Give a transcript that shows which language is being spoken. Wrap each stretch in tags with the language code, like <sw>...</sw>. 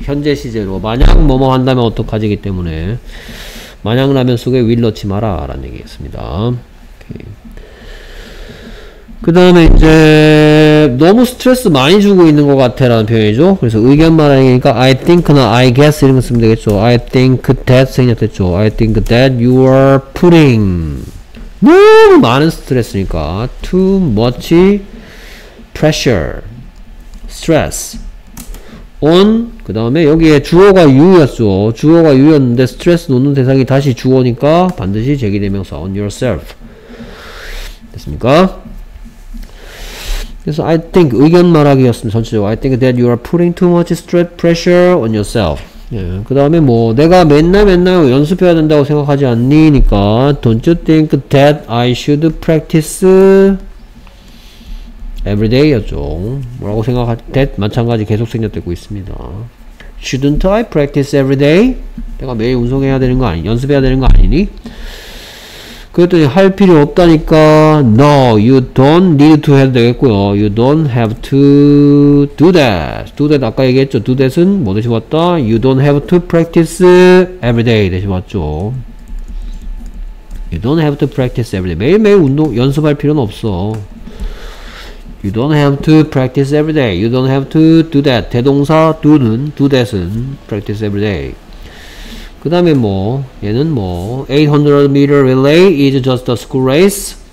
<ko>현재 시제로 만약 뭐뭐 한다면 어떡하지?이기 때문에 만약 라면 속에 will 넣지 마라 라는 얘기였습니다. 그 다음에 이제 너무 스트레스 많이 주고 있는 것 같아 라는 표현이죠. 그래서 의견 말하니까 I think나 I guess 이런 거 쓰면 되겠죠.</ko> <en>I think that</en> <ko>생략됐죠.</ko> <en>I think that you are putting</en> <ko>너무 많은 스트레스니까</ko> <en>too much pressure, stress on.</en> <ko>그 다음에 여기에 주어가 you였죠. 주어가 you였는데 스트레스 놓는 대상이 다시 주어니까 반드시 제기되면서 on yourself 됐습니까? 그래서 I think 의견 말하기였습니다.</ko> <en>전체적으로 I think that you are putting too much stress pressure on yourself.</en> <ko>예, 그 다음에 뭐 내가 맨날 연습해야 된다고 생각하지 않니? 니까</ko> <en>Don't you think that I should practice every day?</en> <ko>였죠. 뭐라고 생각할 that 마찬가지 계속 생략되고 있습니다.</ko> <en>Shouldn't I practice every day?</en> <ko>내가 매일 운동해야 되는 거 아니, 연습해야 되는 거 아니니? 그랬더니 할 필요 없다니까</ko> <en>No, you don't need to</en> <ko>해도 되겠고요.</ko> <en>You don't have to do that. Do that</en> <ko>아까 얘기했죠. Do that은 뭐 대신 왔다?</ko> <en>You don't have to practice every day</en> <ko>대신 왔죠.</ko> <en>You don't have to practice every day.</en> <ko>매일매일 운동 연습할 필요는 없어.</ko> <en>You don't have to practice every day. You don't have to do that. 대동사 do는 do that은 practice every day.</en> <ko>그 다음에 뭐 얘는 뭐</ko> <en>800m relay is just a school race.</en>